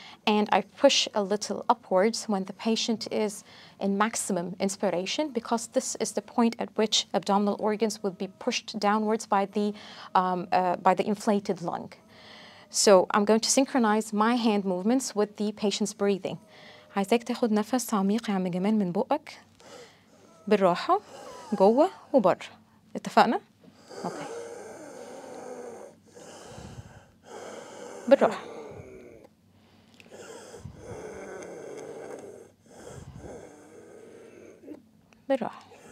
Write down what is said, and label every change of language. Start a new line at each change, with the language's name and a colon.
English: And I push a little upwards when the patient is in maximum inspiration because this is the point at which abdominal organs will be pushed downwards by the inflated lung. So I'm going to synchronize my hand movements with the patient's breathing.
Arabic: عايزك تاخد نفس عميق يا عم جمال من بقك بالراحة جوه وبر. اتفقنا؟ Okay. بالراحة. بالراحة.